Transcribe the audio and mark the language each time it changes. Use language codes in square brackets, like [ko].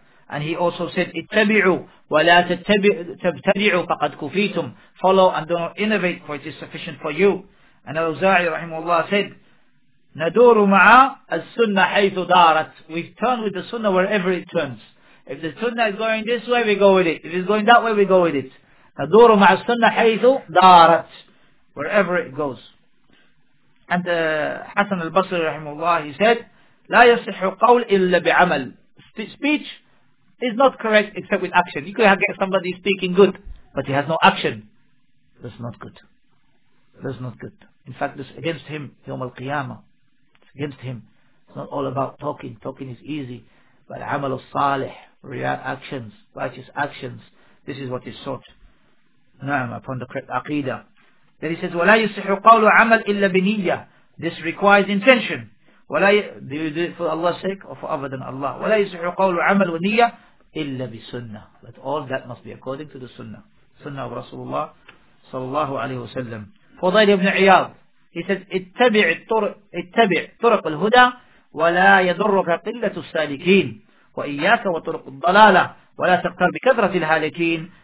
[en] And he also said, [ar] اتبعوا ولا تبتدعوا فقد كفيتم. [en] Follow and do not innovate, for it is sufficient for you. And Al-Auza'i rahimahullah said, [ar] ندور مع السنة حيث دارت. [en] We turn with the sunnah wherever it turns. If the sunnah is going this way, we go with it. If it's going that way, we go with it. [ar] ندور مع السنة حيث دارت. [en] Wherever it goes. And Hassan al-Basri rahimahullah, he said, [ar] لا يصح قول إلا بعمل. [en] Speech is not correct except with action. You could get somebody speaking good, but he has no action. That's not good. In fact, this against him, [ar] يوم القيامة. [en] It's against him. It's not all about talking. Talking is easy. But عمل الصالح, real actions, righteous actions. This is what is sought. نعم, upon the correct aqidah. Then he says, [ar] وَلَا يُسِحُ قَوْلُ عَمَلْ إِلَّا بِنِيَّةِ. [en] This requires intention. وَلَا Do you do it for Allah's sake or for other than Allah? [ar] وَلَا يُسِحُ قَوْلُ عَمَلْ وَنِيَّةِ إِلَّا بِسُنَّةِ. [en] But all that must be according to the sunnah. Sunnah of Rasulullah [ar] صلى الله عليه وسلم. فضيل ابن عياض, [en] he says, [ar] اتبع طرق الهدى ولا يضرك قلة السالكين وإياك وطرق الضلالة ولا تقتر بكثرة الهالكين.